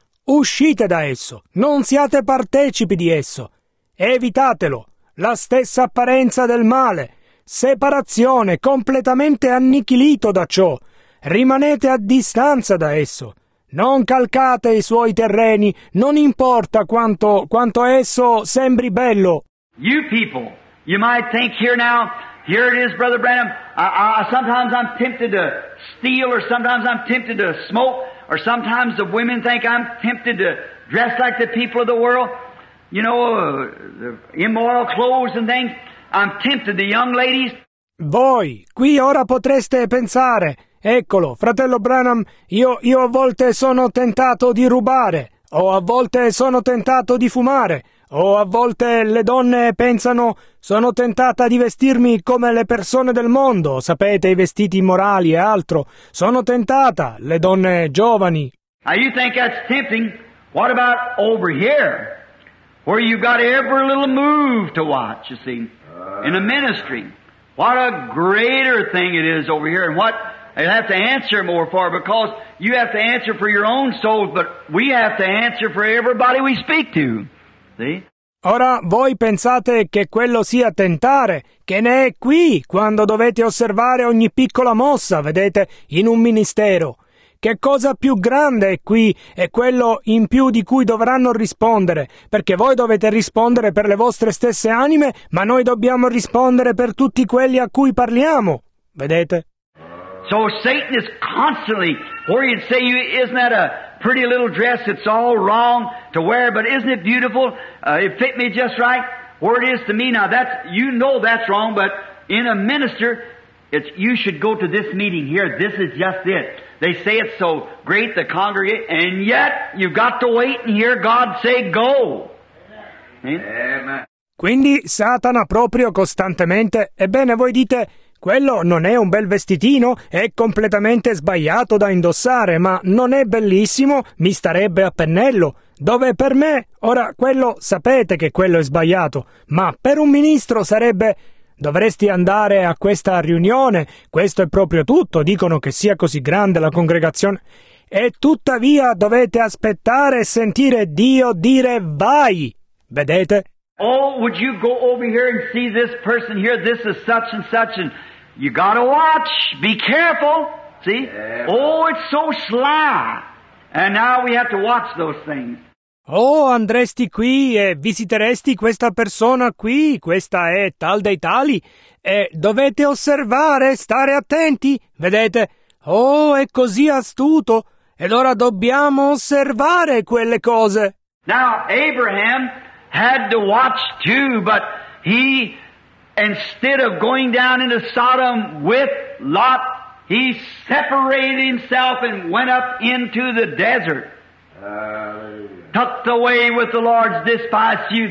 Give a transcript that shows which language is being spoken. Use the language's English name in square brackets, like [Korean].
[Italian] uscite da esso, non siate partecipi di esso, evitatelo, la stessa apparenza del male, separazione, completamente annichilito da ciò, rimanete a distanza da esso, non calcate i suoi terreni, non importa quanto esso sembri bello. [English] You people, you might think here now, here it is, Brother Branham, sometimes I'm tempted to steal, or sometimes I'm tempted to smoke, or sometimes the women think I'm tempted to dress like the people of the world, you know, the immoral clothes and things. I'm tempted, the young ladies. [Italian] Voi, qui ora potreste pensare, eccolo, fratello Branham, io a volte sono tentato di rubare, o a volte sono tentato di fumare, o a volte le donne pensano, sono tentata di vestirmi come le persone del mondo, sapete, i vestiti morali e altro. Sono tentata, le donne giovani. [English] Now you think that's tempting? What about over here? Where you got every little move to watch, you see? In a ministry. What a greater thing it is over here. And what I have to answer more for, because you have to answer for your own soul, but we have to answer for everybody we speak to. [Italian] Ora voi pensate che quello sia tentare, che ne è qui quando dovete osservare ogni piccola mossa, vedete, in un ministero. Che cosa più grande è qui, è quello in più di cui dovranno rispondere, perché voi dovete rispondere per le vostre stesse anime, ma noi dobbiamo rispondere per tutti quelli a cui parliamo, vedete? [English] So Satan is constantly, or he'd say, you, isn't that a pretty little dress, it's all wrong to wear, but isn't it beautiful? It fit me just right. Where it is to me now, that's, you know that's wrong, but in a minister, it's, you should go to this meeting here, this is just it. They say it's so great, the congregate, and yet you've got to wait and hear God say go. Amen. Amen. [Italian] Quindi Satana proprio costantemente, ebbene voi dite, quello non è un bel vestitino, è completamente sbagliato da indossare, ma non è bellissimo, mi starebbe a pennello. Dove per me, ora quello, sapete che quello è sbagliato, ma per un ministro sarebbe, dovresti andare a questa riunione, questo è proprio tutto, dicono che sia così grande la congregazione, e tuttavia dovete aspettare e sentire Dio dire vai, vedete? [English] Oh, would you go over here and see this person here? This is such and such, and you gotta watch. Be careful. See? Oh, it's so sly. And now we have to watch those things. [Italian] Oh, andresti qui e visiteresti questa persona qui, questa è tal dei tali, e dovete osservare, stare attenti, vedete? Oh, è così astuto, ed ora dobbiamo osservare quelle cose. [English] Now, Abraham had to watch too, but he, instead of going down into Sodom with Lot, he separated himself and went up into the desert. Tucked away with the Lord's despised few.